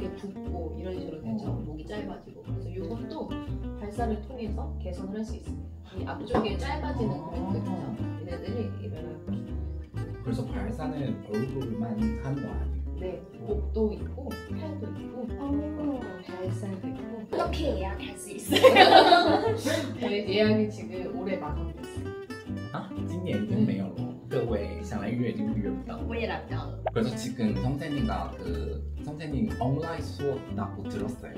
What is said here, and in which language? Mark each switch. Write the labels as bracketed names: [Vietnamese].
[Korean] 이렇게붓고이런식으로되죠목이짧아지고그래서이것도발사를통해서개선을할수있습니다이앞쪽에짧아지는그런것처럼이런들이이런 그래서발사는얼굴만한거아니에요 네목도있고팔도있고발사도있고 이렇게예약할수있어요 예약이지금올해마감됐어요 [Chinese] 아今年已经没有了各位想来预约已经预约不到我也来不到了 [Korean] 그래서지금선생님과그선생님온라인수업나못들었어요